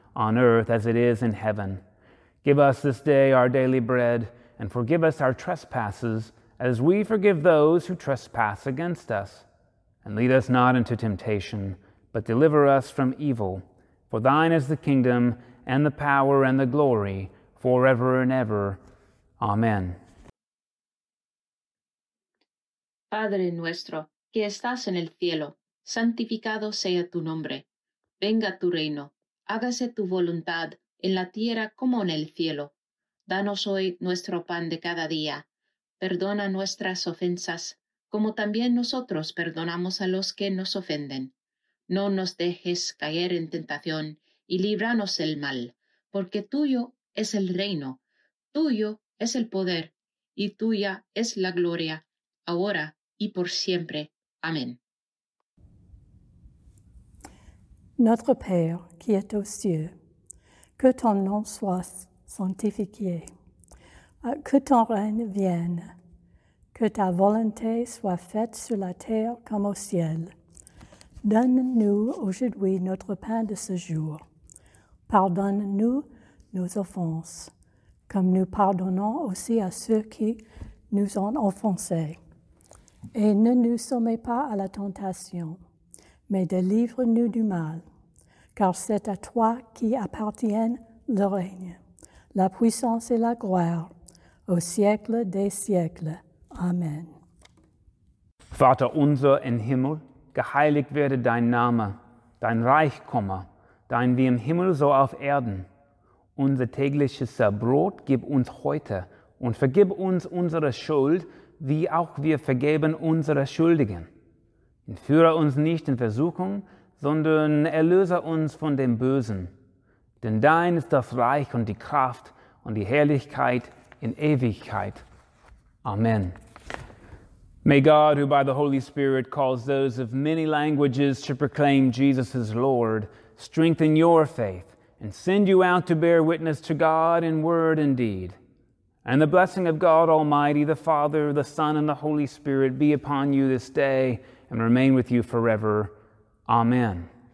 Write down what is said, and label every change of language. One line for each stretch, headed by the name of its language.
English: on earth as it is in heaven. Give us this day our daily bread, and forgive us our trespasses, as we forgive those who trespass against us. And lead us not into temptation, but deliver us from evil. For thine is the kingdom, and the power, and the glory, forever and ever. Amen.
Spanish: Padre nuestro, que estás en el cielo, santificado sea tu nombre. Venga tu reino, hágase tu voluntad, en la tierra como en el cielo. Danos hoy nuestro pan de cada día. Perdona nuestras ofensas, como también nosotros perdonamos a los que nos ofenden. No nos dejes caer en tentación, y líbranos del mal, porque tuyo es el reino, tuyo es el poder, y tuya es la gloria, ahora y por siempre. Amén.
French: Notre Père, qui es aux cieux, que ton nom soit sanctifié, que ton règne vienne, que ta volonté soit faite sur la terre comme au ciel. Donne-nous aujourd'hui notre pain de ce jour. Pardonne-nous nos offenses, comme nous pardonnons aussi à ceux qui nous ont offensés. Et ne nous soumets pas à la tentation, mais délivre-nous du mal, car c'est à toi qui appartiennent le règne, la puissance et la gloire, au siècle des siècles. Amen.
German: Vater unser im Himmel, geheiligt werde dein Name, dein Reich komme, dein wie im Himmel so auf Erden. Unser tägliches Brot gib uns heute und vergib uns unsere Schuld, wie auch wir vergeben unsere Schuldigen. Und führe uns nicht in Versuchung, sondern erlöse uns von dem Bösen. Denn dein ist das Reich und die Kraft und die Herrlichkeit in Ewigkeit. Amen.
English: May God, who by the Holy Spirit calls those of many languages to proclaim Jesus as Lord, strengthen your faith and send you out to bear witness to God in word and deed. And the blessing of God Almighty, the Father, the Son, and the Holy Spirit be upon you this day and remain with you forever. Amen.